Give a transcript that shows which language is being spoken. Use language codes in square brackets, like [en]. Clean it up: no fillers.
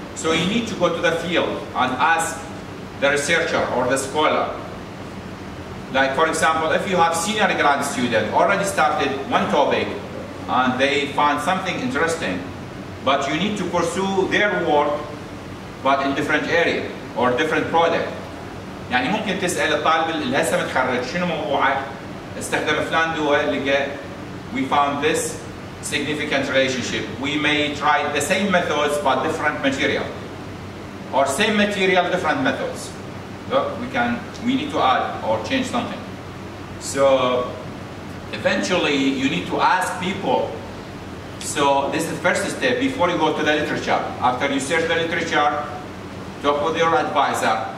[en] So you need to go to the field and ask the researcher or the scholar. Like for example, if you have senior grad student already started one topic and they find something interesting, but you need to pursue their work but in different area or different product. [ar] يعني ممكن تسأل الطالب اللي هسه متخرج شنو موضوعك استخدم فلان دواء لقى [en] we found this significant relationship. We may try the same methods but different material. Or same material, different methods. But we need to add or change something. So eventually you need to ask people. So this is the first step before you go to the literature. After you search the literature, talk with your advisor.